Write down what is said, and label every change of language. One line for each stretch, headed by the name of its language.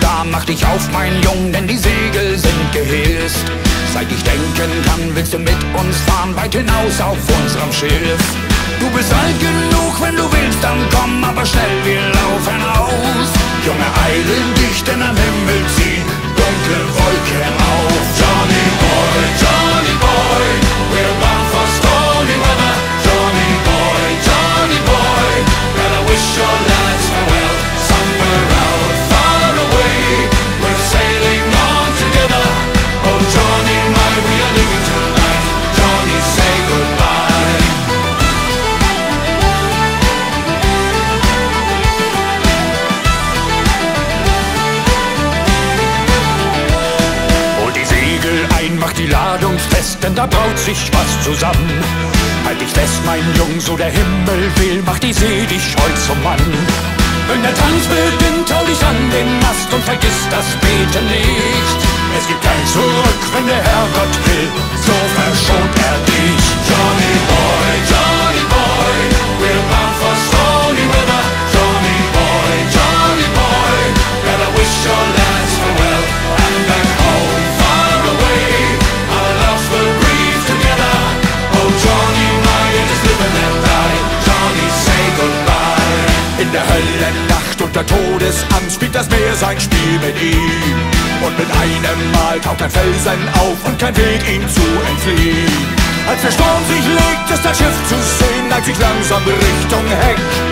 German: mach dich auf, mein Jung, denn die Segel sind gehisst. Seit ich denken kann, willst du mit uns fahren, weit hinaus auf unserem Schiff. Du bist alt genug, wenn du willst, dann komm, aber schnell, wir laufen aus. Junge, eile dich, denn am Himmel ziehen dunkle Wolken auf.
English: Johnny Boy, Johnny Boy, we're bound for stormy weather. Johnny Boy, Johnny Boy, gotta wish your lads farewell. Somewhere out far away, we're sailing on together. Oh, Johnny, my, we are leaving tonight. Johnny, say goodbye.
German: Hol die Segel ein, mach die Ladung fest, denn da braut sich was zusammen. Halt dich fest, mein Jung, so der Himmel will, mach die See dich heut zum Mann. Wenn der Tanz beginnt, hau dich an den Mast und vergiss das Beten nicht. Es gibt kein Zurück, wenn der Herrgott will, so verschont er dich.
English: Johnny Boy, Johnny Boy, we're bound for stormy weather. Johnny Boy, Johnny Boy, gotta wish your lads farewell. And back home, far away, our loves will grieve together. Oh, Johnny, my, it is living and die. Johnny, say goodbye.
German: In der Höllennacht unter Todesangst spielt das Meer sein Spiel mit ihm. Und mit einem Mal taucht ein Felsen auf und kein Weg ihm zu entfliehen. Als der Sturm sich legt, ist das Schiff zu sehen, neigt sich langsam Richtung Heck.